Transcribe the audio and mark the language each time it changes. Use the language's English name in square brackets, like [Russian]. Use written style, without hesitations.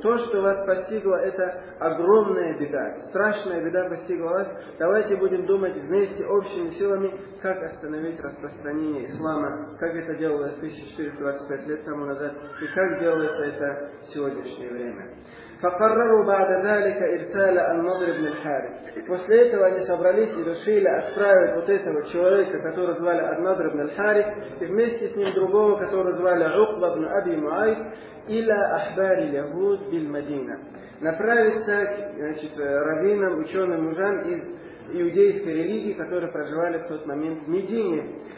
[Russian] То, что вас постигло, это огромная беда, страшная беда постигла вас. Давайте будем думать вместе, общими силами, как остановить распространение ислама, как это делалось 1425 лет тому назад и как делается это в сегодняшнее время. [Arabic] فقرروا بعد ذلك إرسال النضر بن الحارث. [Russian] После этого они собрались и решили отправить вот этого человека, которого звали Ан-Надр ибн аль-Харис, и вместе с ним другого, которого звали Уқба ибн Аби Муайт, [Arabic] إلى أحبار اليهود بالمدينة. [Russian] Направиться к, значит, раввинам, ученым мужам из иудейской религии, которые проживали в тот момент в Медине.